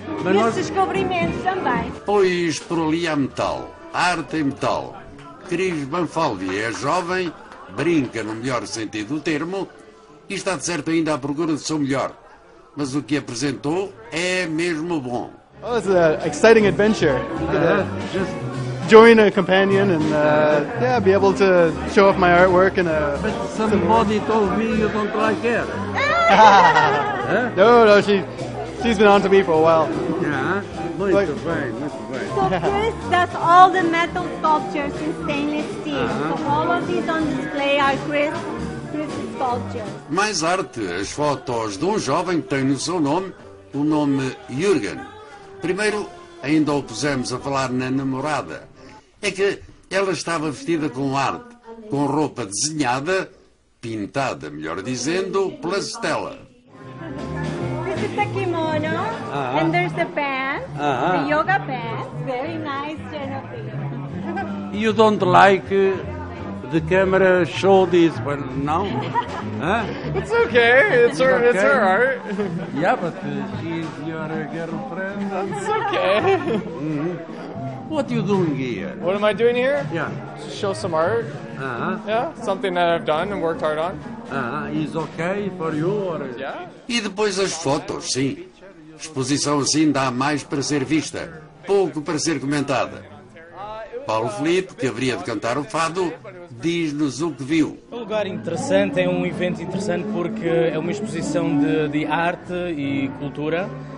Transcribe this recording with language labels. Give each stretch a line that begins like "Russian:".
Portuguese: Mas esses descobrimentos também. Pois por ali há metal, arte em metal. Cris Banfaldi é jovem, brinca no melhor sentido do termo e está de certo ainda à procura do seu melhor. Mas o que apresentou é mesmo bom.
English: Oh, this is an exciting adventure. Just join a companion and be able to show off my artwork in a. But somebody told me you don't like it. No, she's been on to me for a while.
Portuguese: Muito bem, muito bem.
English: So Chris, that's all the metal sculptures in stainless steel. So all of these on display are Chris sculptures.
Portuguese: Mais arte, as fotos de um jovem que tem no seu nome o nome Jürgen. Primeiro, ainda o pusemos a falar na namorada. É que ela estava vestida com arte, com roupa desenhada, pintada, melhor dizendo, pela Stella.
English: It's a kimono, and there's a pants, the yoga pants, very nice, Jennifer. You don't like the camera show this, but no? It's okay, it's her art. Yeah, but she's your girlfriend. It's okay. What are you doing here? What am I doing here? Yeah. To show some art. Yeah, something that I've done and worked hard on. Is okay for you or... Yeah.
Portuguese: E depois as fotos, sim. Exposição assim dá mais para ser vista, pouco para ser comentada. Paulo Felipe, que haveria de cantar o fado, diz-nos o que viu. É um lugar interessante, é um evento interessante porque é uma exposição de arte e cultura.